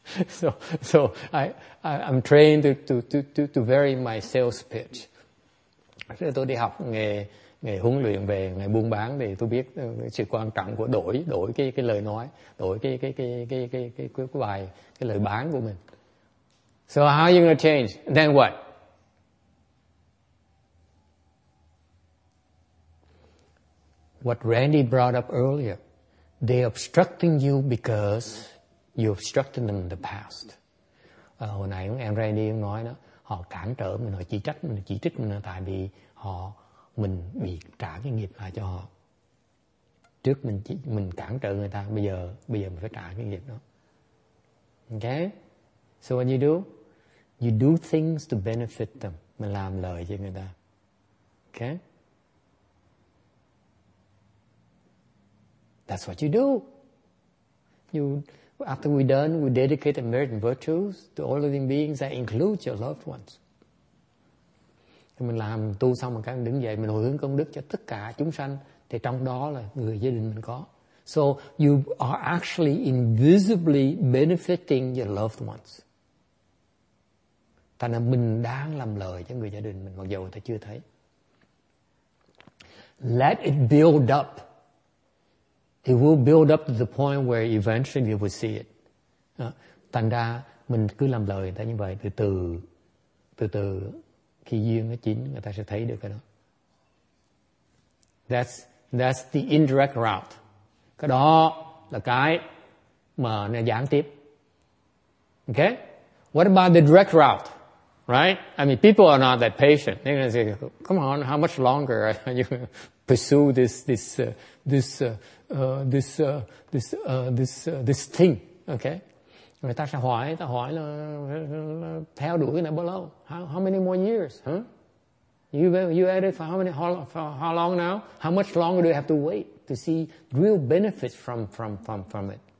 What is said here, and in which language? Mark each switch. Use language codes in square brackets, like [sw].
[en] So I'm trained to vary my sales pitch. [vi] Tôi đi học nghề huấn luyện về nghề buôn bán thì tôi biết sự quan trọng của đổi cái lời nói, đổi cái bài, cái lời bán của mình. [en] So how are you gonna change? Then what? What Randy brought up earlier, they're obstructing you because you obstructed them in the past. [vi] Hồi nãy em Randy nói đó, họ cản trở mình, họ chỉ trích mình tại vì họ mình bị trả cái nghiệp lại cho họ. Trước mình cản trở người ta, bây giờ mình phải trả cái nghiệp đó. [en] Okay? So what you do things to benefit them. [vi] Mình làm lợi cho người ta. [en] Okay? That's what you do. After we're done, we dedicate the merit and virtues to all living beings that include your loved ones. [vi] Mình làm tu xong mình đứng dậy mình hồi hướng công đức cho tất cả chúng sanh, thì trong đó là người gia đình mình có. [en] So you are actually invisibly benefiting your loved ones. [vi] Thành ra mình đang làm lợi cho người gia đình mình mặc dù người ta chưa thấy. [en] Let it build up. It will build up to the point where eventually you will see it. [vi] Thành ra mình cứ làm lợi người ta như vậy, từ từ khi duyên nó chín, người ta sẽ thấy được cái đó. [en] That's the indirect route. [vi] Cái đó là cái mà nó gián tiếp. [en] Okay? What about the direct route? Right? I mean, people are not that patient. They're going to say, come on, how much longer are you going to pursue this thing? Okay? [vi] Người ta sẽ hỏi, ta hỏi là theo đuổi cái này bao lâu? [en] How many more years? Huh? You at it for how long now? How much longer do you have to wait to see real benefits from it?